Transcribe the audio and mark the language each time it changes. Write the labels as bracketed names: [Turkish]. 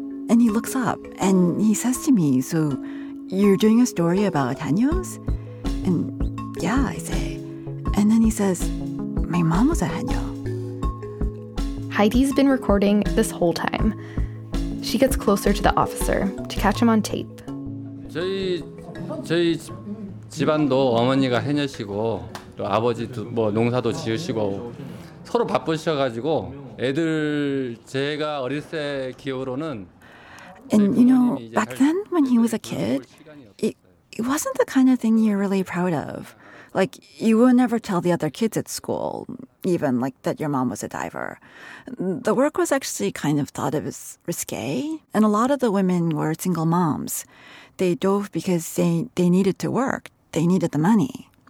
[English] And he looks up and he says to me, so you're doing a story about Hanyos? And yeah, I say. And then he says, my mom was a Hanyo. Heidi's been recording this whole time. She gets closer to the officer to catch him on tape. [Korean] 저희 집안도 어머니가 해녀시고 또 아버지도 뭐 농사도 지으시고 서로 바쁘셔가지고 애들 제가 어릴 때 기억으로는. [English] And, you know, back then when he was a kid, it wasn't the kind of thing you're really proud of. Like, you would never tell the other kids at school, even, like, that your mom was a diver. The work was actually kind of thought of as risque. And a lot of the women were single moms. They dove because they needed to work. They needed the money.